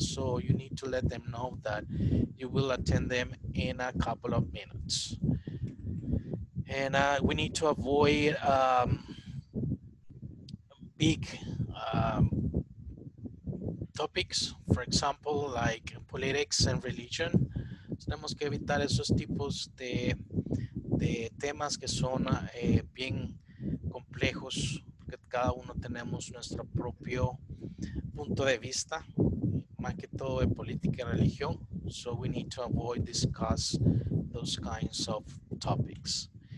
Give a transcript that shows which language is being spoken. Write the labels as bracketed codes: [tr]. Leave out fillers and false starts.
[en] So you need to let them know that you will attend them in a couple of minutes. And we need to avoid big topics, for example, like politics and religion. [es] Tenemos que evitar esos tipos de temas que son bien complejos, porque cada uno tenemos nuestro propio punto de vista, más que todo de política y religión. [en] So we need to avoid discuss those kinds of topics.